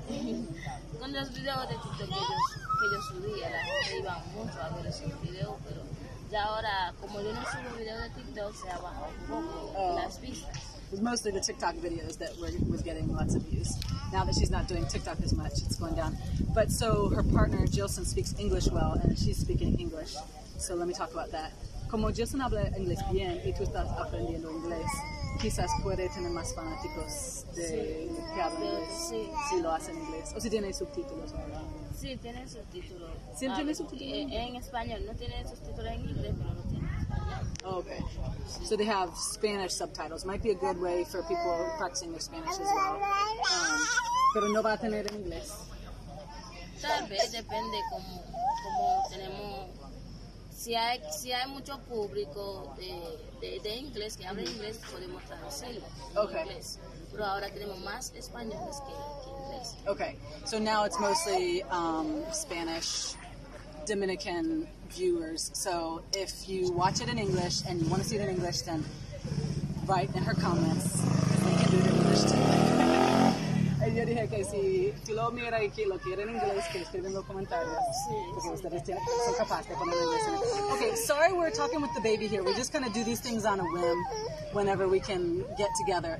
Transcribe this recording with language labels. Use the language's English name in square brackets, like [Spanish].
[Spanish] Con los videos de TikTok que yo subía, la gente iba mucho a ver esos videos, pero ya ahora, como yo no subo videos de TikTok, se ha bajado un poco las vistas. [English] It was mostly the TikTok videos that was getting lots of views. Now that she's not doing TikTok as much, it's going down. But so her partner, Gilson, speaks English well, and she's speaking English. So let me talk about that. [Spanish] Como Gilson habla inglés bien y tú estás aprendiendo inglés, quizás puede tener más fanáticos de que hablan inglés si lo hace en inglés. O si tiene subtítulos, ¿verdad? Sí, tiene subtítulos. ¿Sí tiene subtítulos? En español. No tiene subtítulos en inglés, pero no tiene. [English] Okay, so they have Spanish subtitles. Might be a good way for people practicing their Spanish as well. [Spanish] Pero no va a tener en inglés. Tal vez depende como tenemos. Si hay mucho público de inglés que habla inglés, podemos traducirlo. [English] Okay. Inglés. [Spanish] Pero ahora tenemos más españoles que inglés. [English] Okay, so now it's mostly Spanish. Dominican viewers, so if you watch it in English and you want to see it in English, then write in her comments and you can do it in English too. [Spanish] Y yo dije que si tú lo miras y que lo quieres en inglés, que escribe en los comentarios. Porque ustedes son capaces de ponerlo en inglés. [English] Okay, sorry we're talking with the baby here. We just kind of do these things on a whim whenever we can get together.